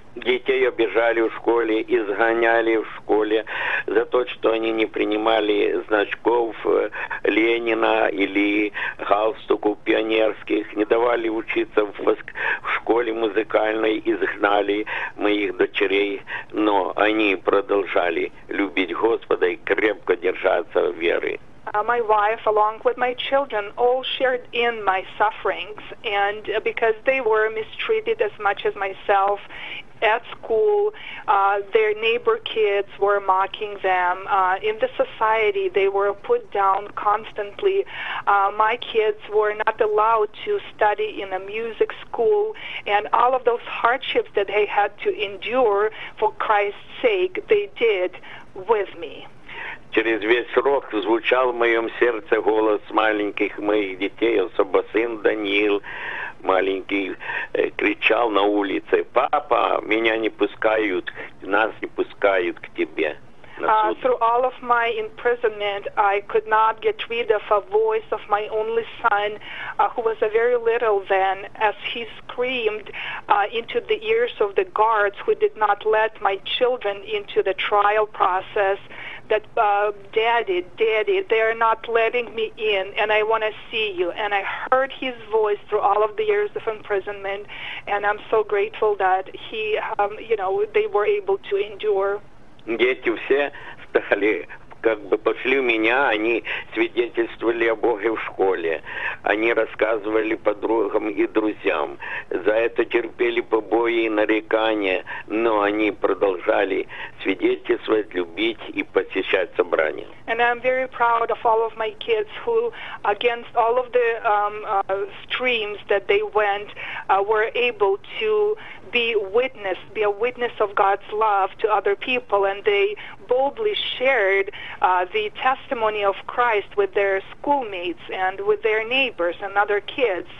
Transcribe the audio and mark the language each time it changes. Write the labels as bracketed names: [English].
[Russian] Детей обижали в школе, изгоняли в школе за то, что они не принимали значков Ленина или галстуку пионерских, не давали учиться в школе музыкальной, изгнали моих дочерей, но они продолжали любить Господа и крепко держаться веры. [English] My wife, along with my children, all shared in my sufferings, and because they were mistreated as much as myself at school, their neighbor kids were mocking them. In the society, they were put down constantly. My kids were not allowed to study in a music school, and all of those hardships that they had to endure, for Christ's sake, they did with me. [Russian] Через весь рок звучал в моем сердце голос маленьких моих детей, особо сын Даниил, маленький, кричал на улице: «Папа, меня не пускают, нас не пускают к тебе». [English] Through all of my imprisonment, I could not get rid of a voice of my only son, who was a very little then, as he screamed into the ears of the guards who did not let my children into the trial process, that, Daddy, Daddy, they are not letting me in, and I want to see you. And I heard his voice through all of the years of imprisonment, and I'm so grateful that he, you know, they were able to endure. [Russian] Дети все стали, как бы пошли у меня, они свидетельствовали о Боге в школе. Они рассказывали подругам и друзьям. За это терпели побои и нарекания, но они продолжали свидетельствовать, любить и посещать собрания. [English] And I'm very proud of all of my kids who, against all of the streams that they went, were able to be a witness of God's love to other people, and they boldly shared the testimony of Christ with their schoolmates and with their neighbors and other kids.